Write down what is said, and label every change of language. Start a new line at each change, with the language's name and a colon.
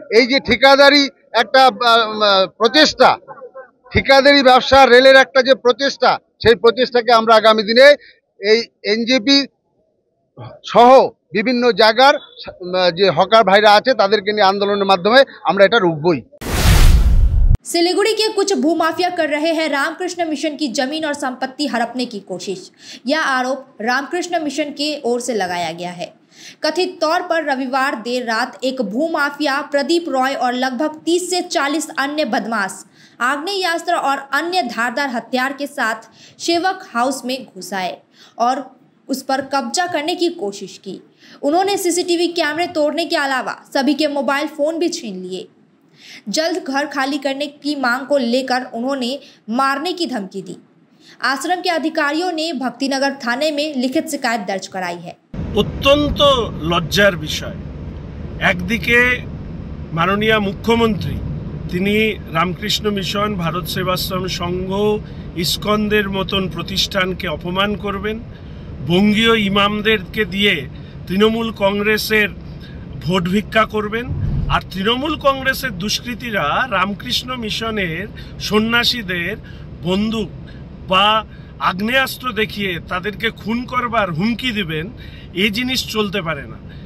Bangla: এই যে ঠিকাদারি একটা প্রচেষ্টা, ঠিকাদারি ব্যবসা রেলের একটা যে প্রচেষ্টা, সেই প্রচেষ্টাকে আমরা আগামী দিনে এই NJP সহ বিভিন্ন জায়গার যে হকার ভাইরা আছে তাদেরকে নিয়ে আন্দোলনের মাধ্যমে আমরা এটা রুখবই।
Hindi: सिलीगुड़ी के कुछ भूमाफिया कर रहे हैं रामकृष्ण मिशन की जमीन और संपत्ति हड़पने की कोशिश। यह आरोप रामकृष्ण मिशन के ओर से लगाया गया है। कथित तौर पर रविवार देर रात एक भूमाफिया प्रदीप रॉय और लगभग 30 से 40 अन्य बदमाश आग्नेयास्त्र और अन्य धारदार हथियार के साथ सेवक हाउस में घुस आए और उस पर कब्जा करने की कोशिश की। उन्होंने CCTV कैमरे तोड़ने के अलावा सभी के मोबाइल फ़ोन भी छीन लिए। जल्द घर खाली करने की मांग को लेकर उन्होंने मारने की धमकी दी। आश्रम के अधिकारियों ने भक्तिनगर थाने में लिखित शिकायत दर्ज कराई है।
Bangla: अत्यंत लज्जार विषय। एकदिके माननीय मुख्यमंत्री তিনি রামকৃষ্ণ মিশন, ভারত সেবাশ্রম সংঘ, ইস্কন্দের মতন প্রতিষ্ঠানকে অপমান করবেন, বঙ্গীয় ইমামদেরকে দিয়ে তৃণমূল কংগ্রেসের ভোট ভিক্ষা করবেন, আর তৃণমূল কংগ্রেসের দুষ্কৃতীরা রামকৃষ্ণ মিশনের সন্ন্যাসীদের বন্দুক বা আগ্নেয়াস্ত্র দেখিয়ে তাদেরকে খুন করবার হুমকি দিবেন, এই জিনিস চলতে পারে না।